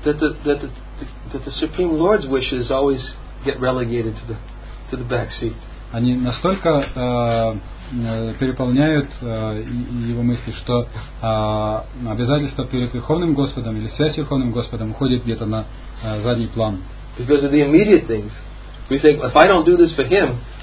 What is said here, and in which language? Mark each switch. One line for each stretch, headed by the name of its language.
English: That the Supreme Lord's wishes always get relegated to the back seat.
Russian: Они настолько переполняют его мысли, что обязательства перед Верховным Господом или связь с Верховным Господом уходит где-то на задний план.
English: Because of the immediate things, we think if I don't do this for him.